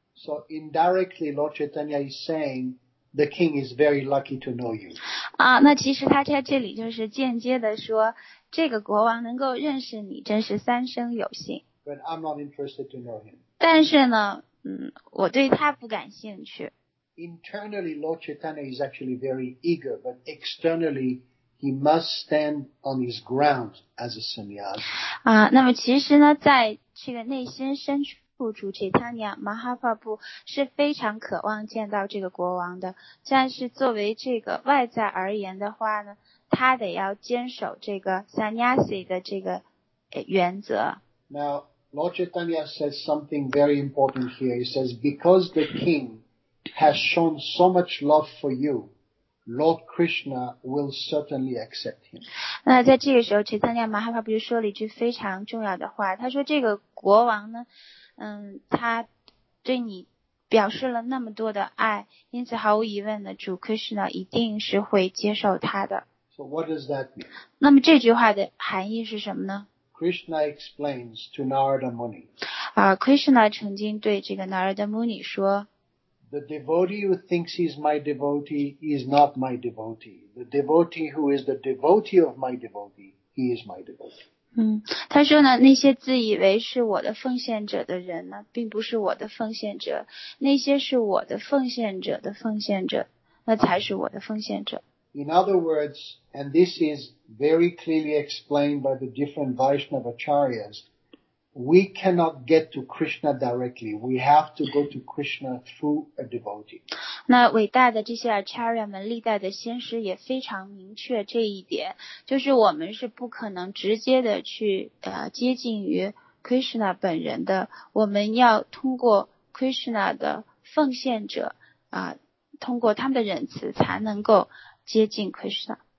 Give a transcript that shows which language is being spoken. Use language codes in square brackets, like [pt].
[en] So indirectly, Lord Chaitanya is saying,The king is very lucky to know you. [zh] 那其实他在这里就是间接的说，这个国王能够认识你，真是三生有幸。 [en] But I'm not interested to know him. [zh] 但是呢，我对他不感兴趣。 [en] Internally, Lord Chaitanya is actually very eager, but externally, he must stand on his ground as a sannyasi. [zh] 那么其实呢，在这个内心深处。主切塔尼亚马哈帕布是非常渴望见到这个国王的，但是作为这个外在而言的话呢，他得要坚守这个萨尼亚西的这个原则。 [en] Now, Lord Chaitanya says something very important here. He says, because the king has shown so much love for you, Lord Krishna will certainly accept him. [zh] 那在这个时候，切塔尼亚马哈帕布就说了一句非常重要的话，他说这个国王呢。他对你表示了那么多的爱，因此毫无疑问的，主 Krishna 一定是会接受他的。 [en] So what does that mean? [zh] 那么这句话的含义是什么呢？ [en] Krishna explains to Narada Muni. [zh] Krishna 曾经对这个 Narada Muni 说 [en] The devotee who thinks he's my devotee is not my devotee. The devotee who is the devotee of my devotee, he is my devotee. [zh] 他说呢那些自以为是我的奉献者的人呢并不是我的奉献者那些是我的奉献者的奉献者那才是我的奉献者。 [en] In other words, and this is very clearly explained by the different Vaishnava Acharyas, we cannot get to Krishna directly, we have to go to Krishna through a devotee. [zh] 那伟大的这些 Acharya 们历代的先师也非常明确这一点就是我们是不可能直接的去接近于 Krishna 本人的我们要通过 Krishna 的奉献者通过他们的仁慈才能够接近 Krishna.